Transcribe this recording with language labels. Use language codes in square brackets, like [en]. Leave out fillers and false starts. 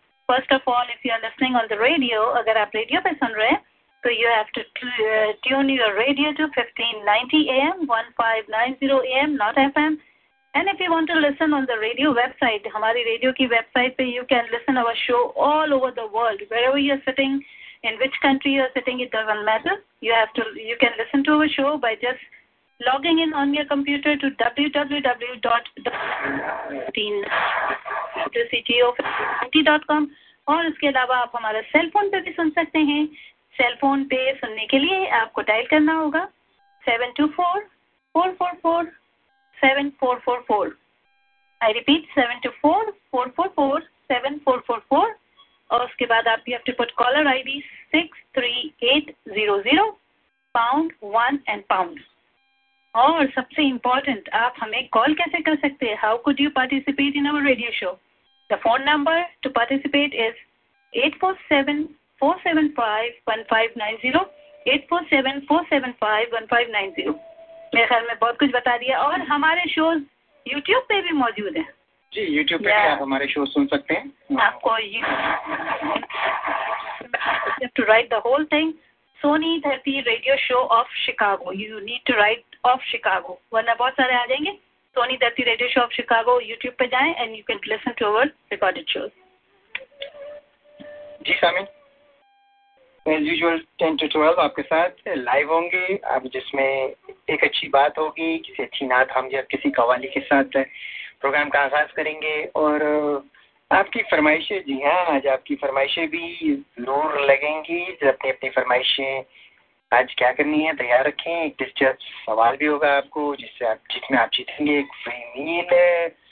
[en] First of all, if you are listening on the radio, [hi] agar aap radio pe sun rahe, [en] so you have to tune your radio to 1590 AM, 1590 AM, not FM. And if you want to listen on the radio website, [hi] hamari radio ki website pe, [en] you can listen our show all over the world. Wherever you are sitting, in which country you are sitting, it doesn't matter. You can listen to our show by just logging in on your computer to www.com [hi] और इसके अलावा आप हमारा cell phone पे भी सुन सकते हैं cell phone पे सुनने के लिए आपको डायल करना होगा 724-444-7444 [en] I repeat, 724-444-7444. [hi] Uske baad aap [en] you have to put caller ID 63800, pound 1 and pound. [hi] Aur sabse important, aap hame call kaise kar sakte? [en] How could you participate in our radio show? The phone number to participate is 847-475-1590. 847-475-1590. [hi] मेरे ख्याल में बहुत कुछ बता दिया और हमारे shows YouTube पे भी मौजूद है जी YouTube पे आप हमारे शो सुन सकते हैं [en] आपको you have to write the whole thing Sony Therapy Radio Show of Chicago you need to write of Chicago [hi] वरना बहुत सारे आ जाएंगे [en] Sony Therapy Radio Show of Chicago YouTube पे जाएं and you can listen to our recorded shows [hi] ji Sami [en] As usual, 10 to 12, [hi] आपके साथ live होंगे अब जिसमें एक अच्छी बात होगी किसी अच्छी नात हम या किसी कवाली के साथ प्रोग्राम का आगाज करेंगे और आपकी फरमाइशें जी हां आज आपकी फरमाइशें भी जरूर लगेंगी जब अपनी अपनी फरमाइशें आज क्या करनी है तैयार रखें एक दिलचस्प सवाल भी होगा आपको जिससे आप जितना आप जीतेंगे एक फ्री मील है